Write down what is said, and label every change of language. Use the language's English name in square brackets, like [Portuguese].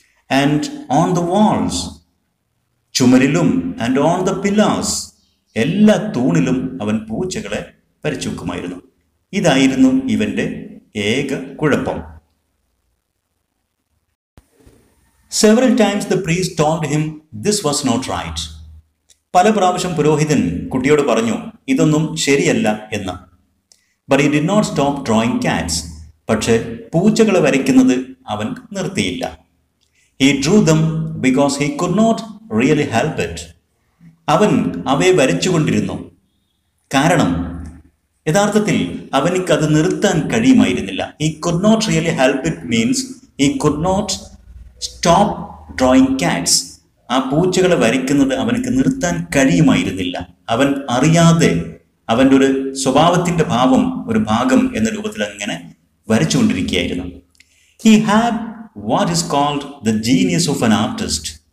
[English] and on the walls, [Malayalam] ചുമരിലും, [English] and on the pillars, [Malayalam] എല്ലാ തൂണിലും അവൻ പൂച്ചകളെ വരച്ചു വെക്കുമായിരുന്നു. ഇതായിരുന്നു ഇവൻ്റെ ഏക കുഴപ്പം. [English] Several times the priest told him this was not right. [Malayalam] പല പ്രാവശ്യം പുരോഹിതൻ കുട്ടിയോട് പറഞ്ഞു ഇതൊന്നും ശരിയല്ല എന്ന്. [English] But he did not stop drawing cats. [Malayalam] പക്ഷെ പൂച്ചകളെ വരയ്ക്കുന്നത് അവൻ നിർത്തിയില്ല. [English] He drew them because he could not really help it. [Malayalam] അവൻ അവയെ വരച്ചുകൊണ്ടിരുന്നു കാരണം യഥാർത്ഥത്തിൽ അവനിക്കത് നിർത്താൻ കഴിയുമായിരുന്നില്ല. [English] He could not really help it means he could not stop drawing cats. [Malayalam] ആ പൂച്ചകളെ വരയ്ക്കുന്നത് അവനക്ക് നിർത്താൻ കഴിയുമായിരുന്നില്ല. അവൻ അറിയാതെ അവൻ്റെ ഒരു സ്വഭാവത്തിൻ്റെ ഭാവം, ഒരു ഭാഗം എന്ന രൂപത്തിൽ അങ്ങനെ വരച്ചുകൊണ്ടിരിക്കുകയായിരുന്നു. [English] He have what is called the genius of an artist.